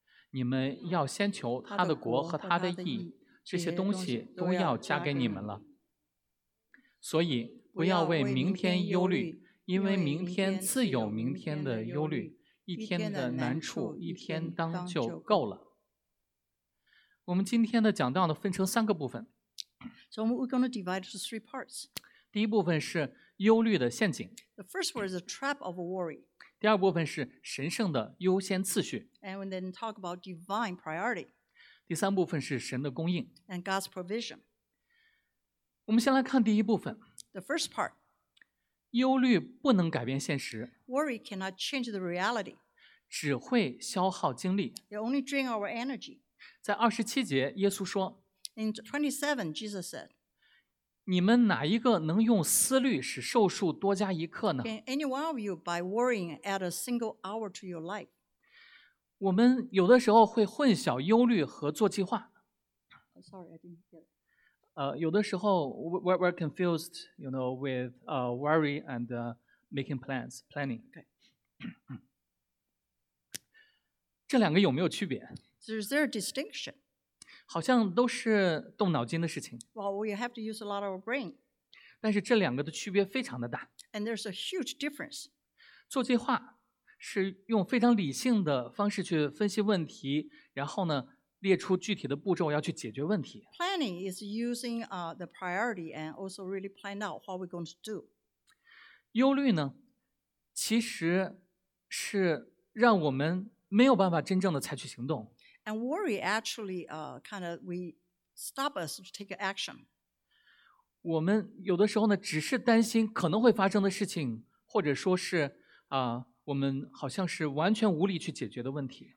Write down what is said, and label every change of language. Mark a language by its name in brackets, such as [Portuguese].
[Chinese] 你们要先求他的国和他的义，这些东西都要加给你们了。所以不要为明天忧虑，因为明天自有明天的忧虑，一天的难处一天当就够了。我们今天的讲道呢，分成三个部分。 [English] So we're going to divide into three parts. [Chinese] 第一部分是忧虑的陷阱。 [English] The first word is a trap of worry. [Chinese] 第二部分是神圣的优先次序。 [English] And we then talk about divine priority. [Chinese] 第三部分是神的供应。 [English] And God's provision. [Chinese] 我们先来看第一部分。 [English] The first part. [Chinese] 忧虑不能改变现实。 [English] Worry cannot change the reality. [Chinese] 只会消耗精力。 [English] It only drain our energy. [Chinese] 在二十七节，耶稣说 [English] ：“In 27, Jesus said, [Chinese] 你们哪一个能用思虑使寿数多加一刻呢 [English] ？Can any one of you by worrying add a single hour to your life？ [Chinese] 我们有的时候会混淆忧虑和做计划。 [English] Sorry, I didn't get it. [Chinese] 有的时候 [English] we're confused, you know, with worry and making plans, planning. Okay. [Chinese] 这两个有没有区别？ [English] Is there a distinction? [Chinese] 好像都是动脑筋的事情。 [English] Well, we have to use a lot of our brain. [Chinese] 但是这两个的区别非常的大。 [English] And there's a huge difference. [Chinese] 做计划是用非常理性的方式去分析问题，然后呢，列出具体的步骤要去解决问题。 [English] Planning is using the priority and also really plan out what we're going to do. [Chinese] 忧虑呢，其实是让我们没有办法真正的采取行动。 [English] And worry actually, kind of, we stop us to take action. [Chinese] 我们有的时候呢，只是担心可能会发生的事情，或者说是我们好像是完全无力去解决的问题。